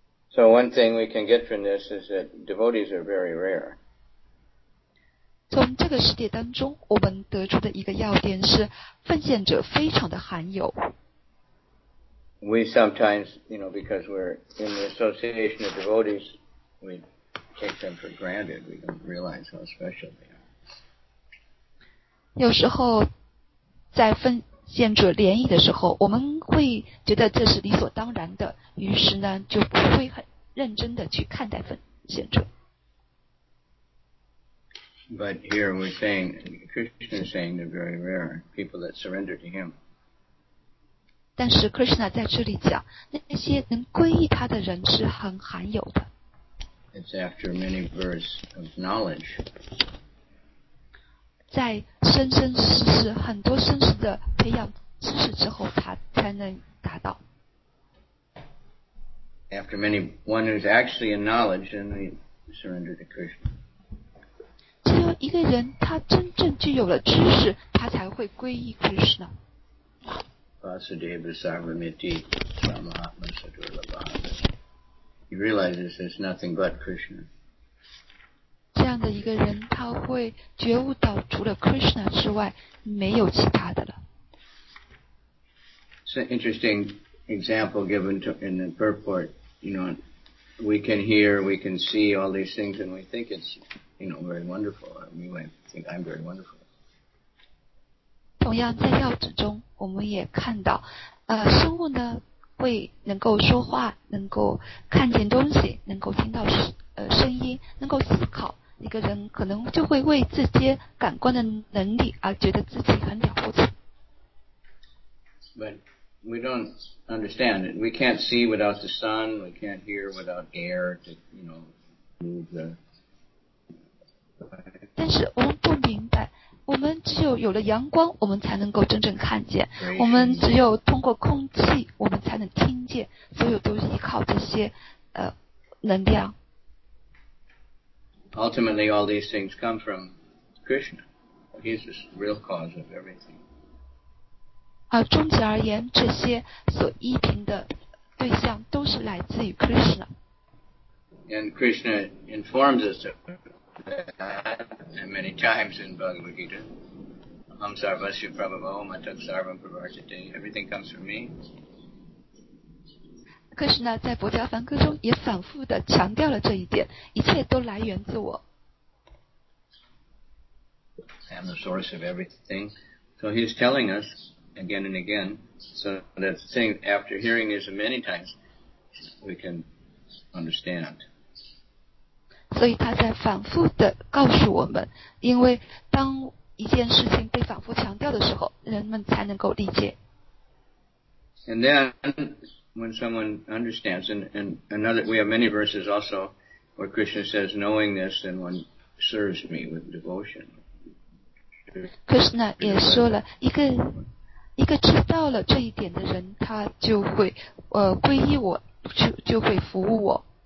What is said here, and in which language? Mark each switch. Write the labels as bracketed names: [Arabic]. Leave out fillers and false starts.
[English] So one thing we can get from this is that devotees are very rare. [Chinese] 从这个世界当中，我们得出的一个要点是，奉献者非常的罕有。 [English] We sometimes, you know, because we're in the association of devotees, we take them for granted. We don't realize how special they are. [Chinese] 有时候在献者联谊的时候，我们会觉得这是理所当然的，于是呢就不会很认真的去看待奉献者。 [English] But here we're saying, Krishna is saying they're very rare, people that surrender to him. [Chinese] 但是 Krishna 在这里讲，那些能皈依他的人是很罕有的。 [English] It's after many births of knowledge. [Chinese] 在生生世世很多生世的培养知识之后，他才能达到。 [English] After many one who's actually in knowledge, then they surrender to Krishna. [Chinese] 只有一个人，他真正具有了知识，他才会皈依 Krishna。 [Sanskrit] Vasudeva Sarvamiti Paramahatma Sadurlabhava. [English] He realizes there's nothing but Krishna. [Chinese] 这样的一个人，他会觉悟到除了 Krishna 之外，没有其他的了。 [English] It's an interesting example given in the purport. You know, we can hear, we can see all these things, and we think it's, you know, very wonderful. We might think I'm very wonderful. [Chinese] 同样，在教旨中，我们也看到，生物呢会能够说话，能够看见东西，能够听到声音，能够思考。一个人可能就会为这些感官的能力而觉得自己很了不起。 [English] But we don't understand it. We can't see without the sun. We can't hear without air to, you know, move the. [Chinese] 但是我们不明白，我们只有有了阳光，我们才能够真正看见。我们只有通过空气，我们才能听见。所有都依靠这些能量。 [English] Ultimately, all these things come from Krishna. He's the real cause of everything. [Chinese] 终极而言，这些所依凭的对象都是来自于 Krishna. [English] And Krishna informs us of that many times in Bhagavad Gita. [Sanskrit] Aham sarvasya prabhavo, matat sarvam pravartate. [English] Everything comes from me. [Chinese] Krishna 在佛教梵歌中也反复地强调了这一点，一切都来源自我。 [English] I am the source of everything. So he's telling us again and again, so that thing after hearing this many times, we can understand. [Chinese] 所以他在反复地告诉我们，因为当一件事情被反复强调的时候，人们才能够理解。 [English] And then,When someone understands, and another, we have many verses also where Krishna says, knowing this, then one serves me with devotion. [Chinese] Krishna 也说了，一个知道了这一点的人，他就会皈依我，就会服务我。